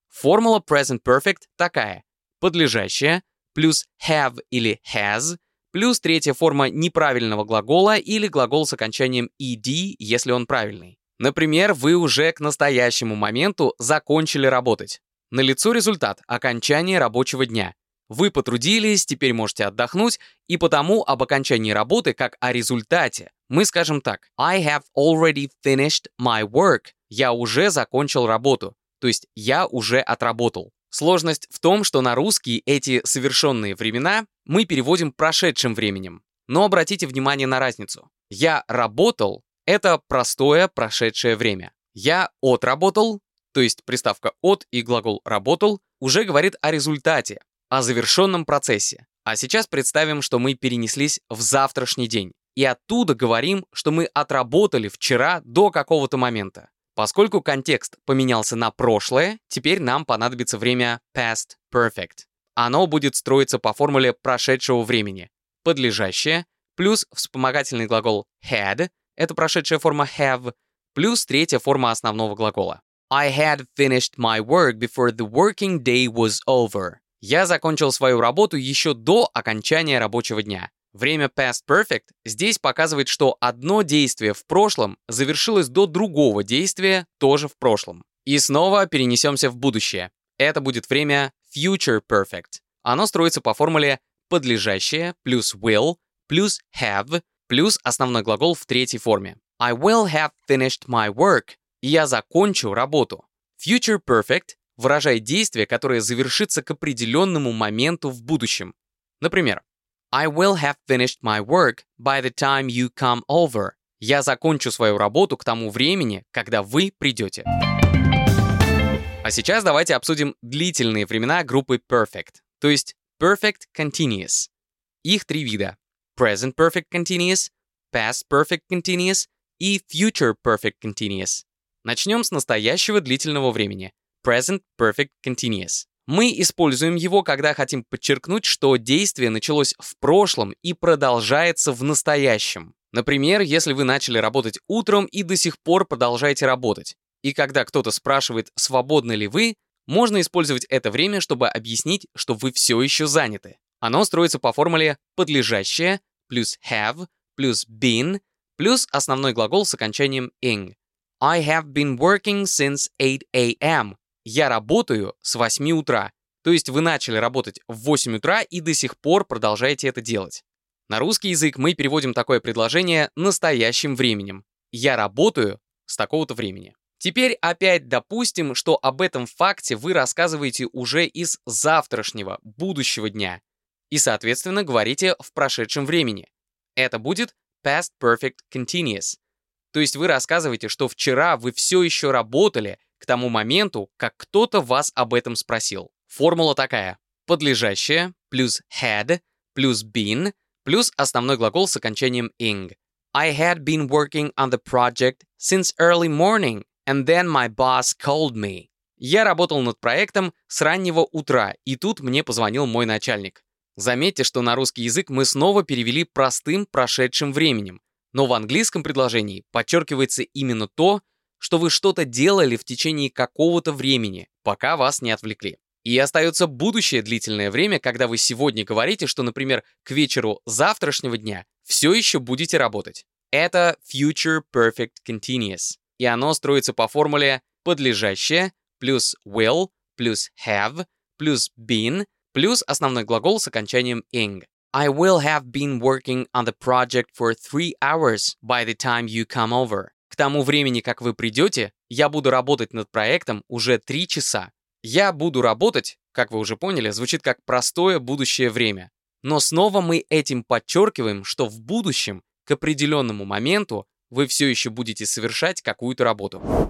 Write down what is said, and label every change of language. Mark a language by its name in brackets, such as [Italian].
[Russian] Формула present perfect такая. Подлежащее плюс have или has плюс третья форма неправильного глагола или глагол с окончанием -ed, если он правильный. Например, вы уже к настоящему моменту закончили работать. Налицо результат – окончание рабочего дня. Вы потрудились, теперь можете отдохнуть, и потому об окончании работы, как о результате, мы скажем так. [English] I have already finished my work. [Russian] Я уже закончил работу. То есть я уже отработал. Сложность в том, что на русский эти совершенные времена мы переводим прошедшим временем. Но обратите внимание на разницу. Я работал. Это простое прошедшее время. Я отработал, то есть приставка от и глагол работал, уже говорит о результате, о завершенном процессе. А сейчас представим, что мы перенеслись в завтрашний день. И оттуда говорим, что мы отработали вчера до какого-то момента. Поскольку контекст поменялся на прошлое, теперь нам понадобится время past perfect. Оно будет строиться по формуле прошедшего времени. Подлежащее плюс вспомогательный глагол had. Это прошедшая форма have, плюс третья форма основного глагола. [English] I had finished my work before the working day was over. [Russian] Я закончил свою работу еще до окончания рабочего дня. Время past perfect здесь показывает, что одно действие в прошлом завершилось до другого действия тоже в прошлом. И снова перенесемся в будущее. Это будет время future perfect. Оно строится по формуле подлежащее плюс will плюс have плюс основной глагол в третьей форме. [English] I will have finished my work. [Russian] Я закончу работу. Future Perfect выражает действие, которое завершится к определенному моменту в будущем. [English] Например, I will have finished my work by the time you come over. [Russian] Я закончу свою работу к тому времени, когда вы придете. А сейчас давайте обсудим длительные времена группы Perfect, то есть Perfect Continuous. Их три вида. Present Perfect Continuous, Past Perfect Continuous и Future Perfect Continuous. Начнем с настоящего длительного времени. Present Perfect Continuous. Мы используем его, когда хотим подчеркнуть, что действие началось в прошлом и продолжается в настоящем. Например, если вы начали работать утром и до сих пор продолжаете работать. И когда кто-то спрашивает, свободны ли вы, можно использовать это время, чтобы объяснить, что вы все еще заняты. Оно строится по формуле подлежащее плюс have плюс been плюс основной глагол с окончанием ing. [English] I have been working since 8 a.m. [Russian] Я работаю с 8 утра. То есть вы начали работать в 8 утра и до сих пор продолжаете это делать. На русский язык мы переводим такое предложение настоящим временем. Я работаю с такого-то времени. Теперь опять допустим, что об этом факте вы рассказываете уже из завтрашнего, будущего дня. И, соответственно, говорите в прошедшем времени. Это будет past perfect continuous. То есть вы рассказываете, что вчера вы все еще работали к тому моменту, как кто-то вас об этом спросил. Формула такая. Подлежащее плюс had плюс been плюс основной глагол с окончанием ing. [English] I had been working on the project since early morning. And then my boss called me. [Russian] Я работал над проектом с раннего утра, и тут мне позвонил мой начальник. Заметьте, что на русский язык мы снова перевели простым прошедшим временем, но в английском предложении подчеркивается именно то, что вы что-то делали в течение какого-то времени, пока вас не отвлекли. И остается будущее длительное время, когда вы сегодня говорите, что, например, к вечеру завтрашнего дня все еще будете работать. Это future perfect continuous. И оно строится по формуле подлежащее плюс will плюс have плюс been плюс основной глагол с окончанием ing. [English] I will have been working on the project for 3 hours by the time you come over. [Russian] К тому времени, как вы придете, я буду работать над проектом уже 3 часа. Я буду работать, как вы уже поняли, звучит как простое будущее время. Но снова мы этим подчеркиваем, что в будущем, к определенному моменту, вы все еще будете совершать какую-то работу.